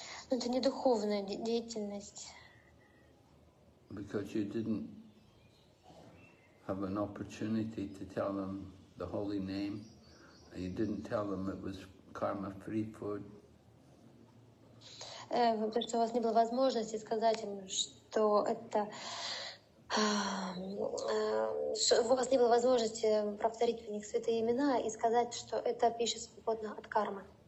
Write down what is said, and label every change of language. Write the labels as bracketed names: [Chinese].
[Russian] Но это не духовная деятельность. [English] Because you didn't have an opportunity to tell them the holy name, and you didn't tell them it was karma-free food. [Russian] Потому что у вас не было возможности сказать им, что это. У вас не было возможности повторить в них святые имена и сказать, что это пища свободна от кармы.